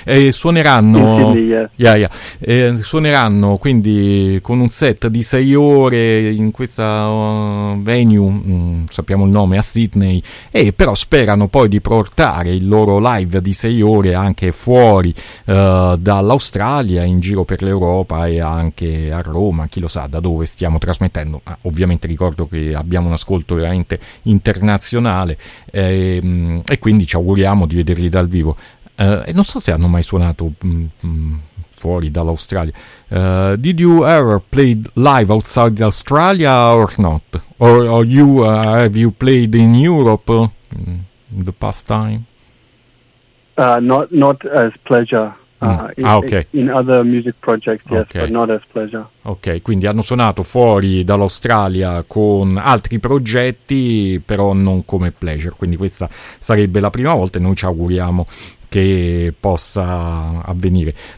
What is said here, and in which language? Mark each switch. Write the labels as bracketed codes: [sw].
[it] Suoneranno suoneranno quindi con un set di 6 ore in questa venue, sappiamo il nome, a Sydney, e però sperano poi di portare il loro live di 6 ore anche fuori dall'Australia, in giro per l'Europa e anche a Roma, chi lo sa da dove stiamo trasmettendo. Ovviamente ricordo che abbiamo un ascolto veramente internazionale, e quindi ci auguriamo di vederli dal vivo. E non so se hanno mai suonato fuori dall'Australia. [en] Did you ever play live outside Australia or not? Or you have you played in Europe in the past time? Not as pleasure. In other music projects, yes, okay. But not as pleasure. [it] Ok, quindi hanno suonato fuori dall'Australia con altri progetti, però non come pleasure. Quindi questa sarebbe la prima volta e noi ci auguriamo che possa avvenire.